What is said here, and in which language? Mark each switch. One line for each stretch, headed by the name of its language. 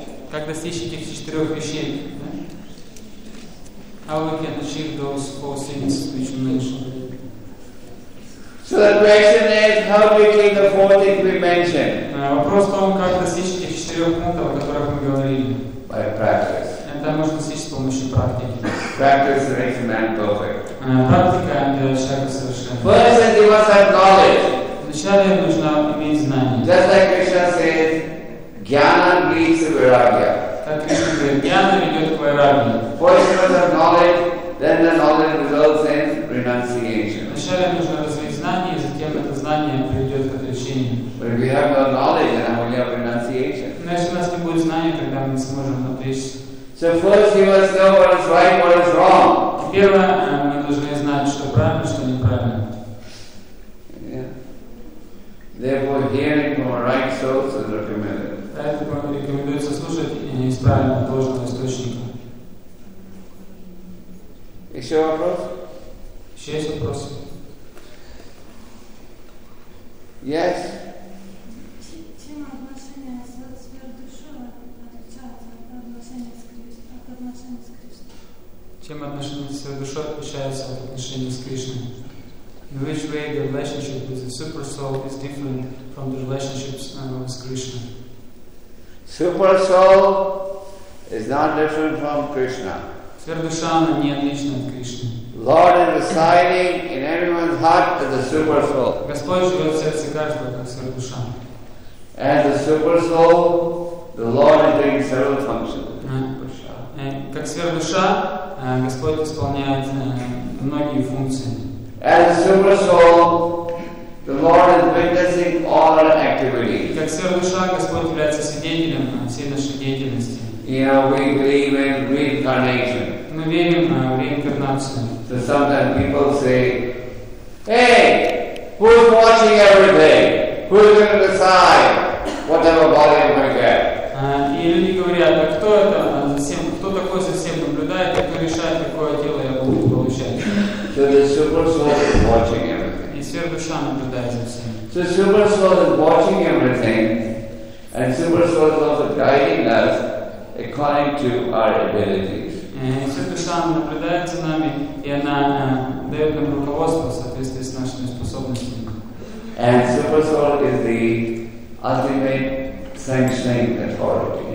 Russian: Как достичь этих четырех вещей?
English: How we can achieve those four things which we mentioned? So the question is, how do we achieve the four things we mentioned?
Russian: Вопрос в том, как достичь этих четырех пунктов, о которых мы говорили.
English: By practice.
Russian: Это можно достичь с помощью практики.
English: Practice makes a man perfect.
Russian: Практика делает человека совершенным.
English: First thing, you must have knowledge.
Russian: Вначале нужно иметь знание.
English: Just like Krishna said, Jnana leads to Vairagya.
Russian: Так Кришна говорит, Jnana ведет к Vairagya.
English: First you must have knowledge, then the knowledge results in renunciation.
Russian: Вначале нужно развить знание, затем это знание приведет к отречению.
English: But if we have no knowledge, then we only have renunciation.
Russian: Но если у нас не будет знания, тогда мы не сможем отречься.
English: So first you must know what is right, what is wrong.
Russian: Первое, мы должны знать, что правильно, что неправильно.
English: Therefore, hearing from a right source is recommended.
Russian: Поэтому рекомендуется слушать из правильно положенного источника. Еще вопрос? Еще есть вопросы?
English: Yes.
Russian: Чем отношение с сверхдушой отличается от отношения с Кришной? Чем отношение с сверхдушой отличается от отношения с Кришной?
English: In which way the relationship with the super soul is different from the relationships with Krishna? Super soul is not different from Krishna.
Russian: Сверхдуша не отлична от Кришны.
English: Lord is residing in everyone's heart as the super soul.
Russian: Господь живет в сердце каждого как сверхдуша.
English: As the super soul, the Lord is doing several functions.
Russian: Как сверхдуша, Господь исполняет многие функции.
English: As a super soul, the Lord is witnessing all our activities.
Russian: Как сверхдуша, Господь является свидетелем всей нашей деятельности.
English: You know, we believe in reincarnation.
Russian: Мы верим в реинкарнацию.
English: So sometimes people say, "Hey, who's watching everything? Who's going to decide whatever body I'm going to get?"
Russian: И люди говорят, а кто это? Зачем? Кто такой за всем наблюдает и кто решает, какое тело я буду получать?
English: So the super soul is watching everything.
Russian: И сверхдуша наблюдает за всем.
English: So super soul is watching everything, and super soul is also guiding us according to our abilities.
Russian: И сверхдуша наблюдает за нами, и она дает нам руководство в соответствии с нашими способностями.
English: And super soul is the ultimate sanctioning authority.